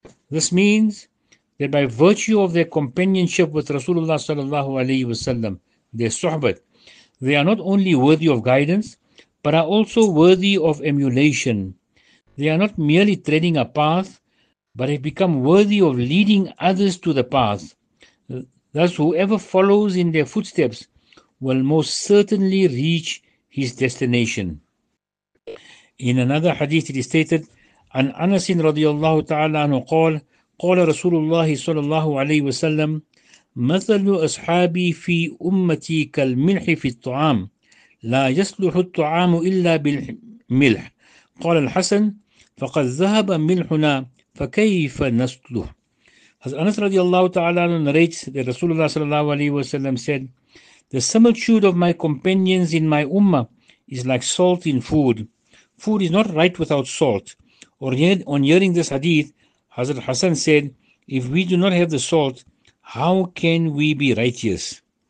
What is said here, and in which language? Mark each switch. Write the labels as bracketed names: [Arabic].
[English] This means that by virtue of their companionship with Rasulullah sallallahu alayhi wa sallam, their suhbat, they are not only worthy of guidance, but are also worthy of emulation. They are not merely treading a path, but have become worthy of leading others to the path. Thus, whoever follows in their footsteps will most certainly reach his destination. In another hadith, it is stated, [Arabic] An Anasin radiallahu ta'ala anhu qal, قال رسول الله صلى الله عليه وسلم مثل أصحابي في أمتي كالملح في الطعام لا يصلح الطعام إلا بالملح قال الحسن فقد ذهب ملحنا فكيف نصلح. [English] As Anas radiallahu ta'ala narrates that Rasulullah sallallahu alayhi wa sallam said, the similitude of my companions in my ummah is like salt in food. Food is not right without salt. Or on hearing this hadith, Hazrat Hassan said, If we do not have the salt, how can we be righteous?